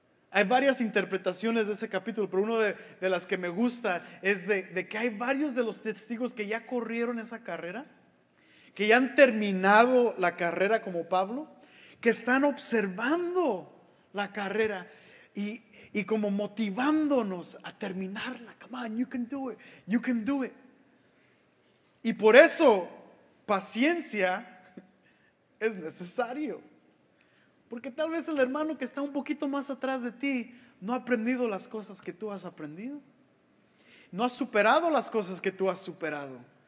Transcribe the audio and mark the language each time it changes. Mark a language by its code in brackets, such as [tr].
[es] Hay varias interpretaciones de ese capítulo, pero una de las que me gusta es de que hay varios de los testigos que ya corrieron esa carrera, que ya han terminado la carrera como Pablo, que están observando la carrera y como motivándonos a terminarla. [en] Come on, you can do it, you can do it. [es] Y por eso paciencia es necesario, porque tal vez el hermano que está un poquito más atrás de ti no ha aprendido las cosas que tú has aprendido, no ha superado las cosas que tú has superado.